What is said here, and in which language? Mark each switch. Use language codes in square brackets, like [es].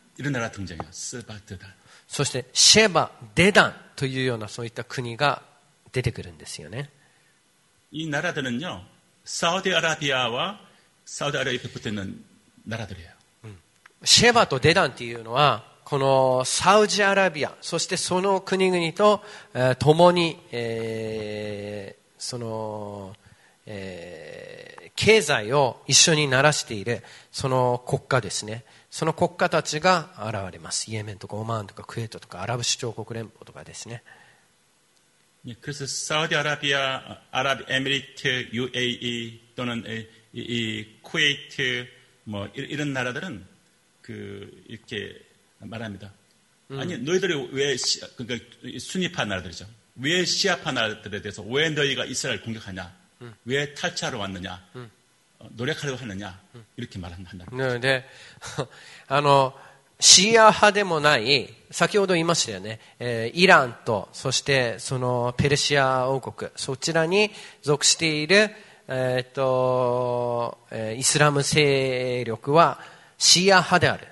[ja] いろんなのが登場します。スバ、デダン。そして、シェバ、デダンというような、そういった国が出てくるんですよね。 [ko] 이나라들은요사우디아라비아와사우디아라비아에붙어있는나라들이에요 [ja] シェバとデダンというのは、このサウジアラビア、そしてその国々と、共に、その、経済を一緒に鳴らしているその国家ですね。その国家たちが現れます。イエメンとかオマーンとかクウェートとかアラブ首長国連邦とかですね。 [ko] 그래서사우디아라비아아랍에미리트 UAE 또는이쿠웨이트뭐 이런나라들은그이렇게말합니다아니너희들이왜그러니까순위파나라들이죠왜시아파나라들에대해서왜너희가이스라엘을공격하냐왜탈취하러왔느냐노력하려고하느냐이렇게말한다 [ja] 네네아노シーア派でもない、先ほど言いましたよね、イランと、そしてそのペルシア王国、そちらに属している、イスラム勢力はシーア派である。